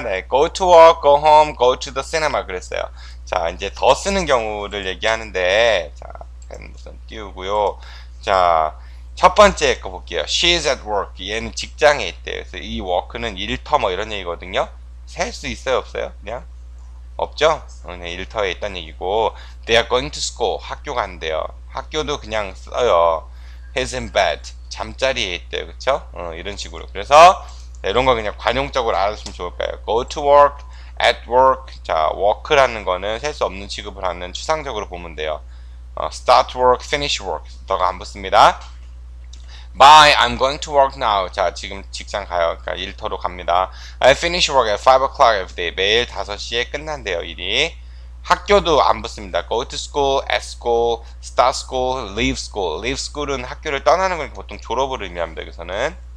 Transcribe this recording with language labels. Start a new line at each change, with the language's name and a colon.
English: 네, go to work, go home, go to the cinema
Korean: 그랬어요. 자, 이제 더 쓰는 경우를 얘기하는데, 자, 펜 우선 띄우고요. 자, 첫 번째 거 볼게요.
English: She's at work.
Korean: 얘는 직장에 있대요. 그래서 이 work는 일터 뭐 이런 얘기거든요. 셀수 있어요, 없어요? 그냥? 없죠? 그냥 일터에 있다는 얘기고.
English: They are going to school.
Korean: 학교 간대요. 학교도 그냥 써요.
English: He's in bed.
Korean: 잠자리에 있대요. 그쵸? 이런 식으로. 그래서, 네, 이런 거 그냥 관용적으로 알았으면 좋을까요?
English: Go to work, at work.
Korean: 자, work라는 거는 셀수 없는 취급을 하는 추상적으로 보면 돼요.
English: Start work, finish work.
Korean: 더가 안 붙습니다.
English: Bye, I'm going to work now.
Korean: 자, 지금 직장 가요. 그러니까 일터로 갑니다.
English: I finish work at 5 o'clock every day.
Korean: 매일 5시에 끝난대요, 일이. 학교도 안 붙습니다.
English: Go to school, at school, start school, leave school.
Korean: Leave school은 학교를 떠나는 거니까 보통 졸업을 의미합니다, 여기서는.